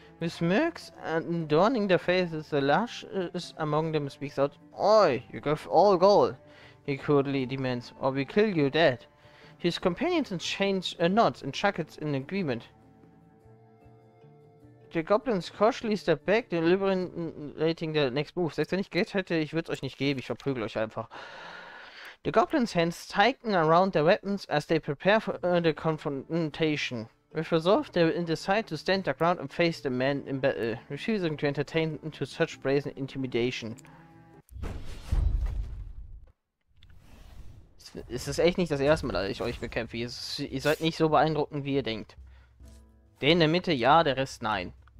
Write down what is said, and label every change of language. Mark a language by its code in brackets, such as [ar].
[en] With smirks and dawning their faces, the lash is among them speaks out, "Oi, you give all gold," he coolly demands, "or we kill you dead." His companions exchange nods and chuckles in agreement. The goblins cautiously step back, deliberating their next move. [de] Selbst wenn ich Geld hätte, ich würde es euch nicht geben, ich verprügel euch einfach. [en] The goblins' hands tighten around their weapons as they prepare for the confrontation. With resolve, they will decide to stand their ground and face the man in battle, refusing to entertain into such brazen intimidation. [de] Es ist echt nicht das erste Mal, dass ich euch bekämpfe. Ihr seid nicht so beeindruckend, wie ihr denkt. Der in der Mitte, ja, der Rest, nein.